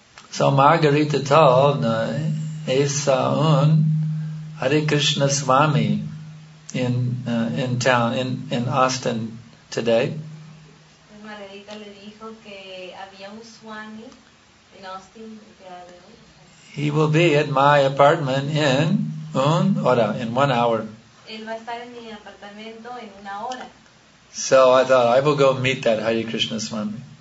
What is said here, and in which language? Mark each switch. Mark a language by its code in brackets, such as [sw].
[en] So Margarita told, [es] "Esa un [en] Hare Krishna Swami in town in Austin today." [es] Margarita le dijo que había un Swami [en] in Austin. He will be at my apartment in [es] un hora, [en] in 1 hour. [es] Él va a estar en mi apartamento en una hora. [en] So I thought, I will go meet that Hare Krishna Swami.